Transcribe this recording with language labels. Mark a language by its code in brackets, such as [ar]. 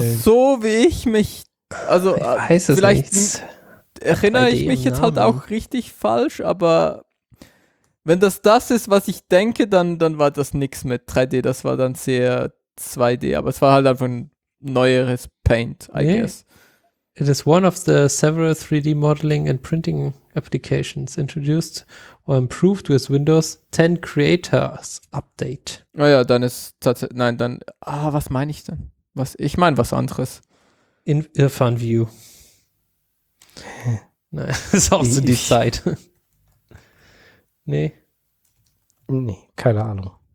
[de] Also so wie ich mich, also ich weiß es vielleicht nicht. Erinnere 3D ich mich jetzt halt auch richtig falsch, aber wenn das ist, was ich denke, dann war das nichts mit 3D, das war dann sehr 2D, aber es war halt einfach ein neueres Paint, [en] I guess. It is one of the several 3D modeling and printing applications introduced or improved with Windows 10 Creators Update. [de] Naja, dann ist tatsächlich, nein, dann, was meine ich denn? Ich meine was anderes. In Irfan View. Nein, ist auch so die Zeit. Nee, keine Ahnung.